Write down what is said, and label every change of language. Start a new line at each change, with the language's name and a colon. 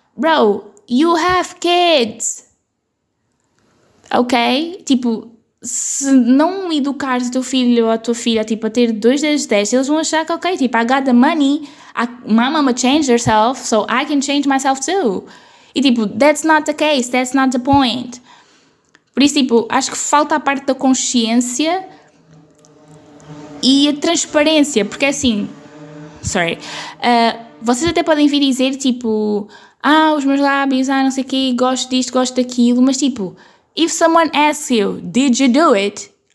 English: Bro, you have kids! Ok?
Portuguese: Tipo, se não educares o teu filho ou a tua filha tipo, a ter 2 dedos de 10, eles vão achar que, ok, tipo,
English: I got the money, my mama changed herself, so I can change myself too.
Portuguese: E tipo,
English: that's not the case, that's not the point.
Portuguese: Por isso, tipo, acho que falta a parte da consciência e a transparência, porque é assim, sorry, vocês até podem vir dizer, tipo, ah, os meus lábios, ah, não sei o quê, gosto disto, gosto daquilo, mas tipo,
English: if someone asks you, did you do it?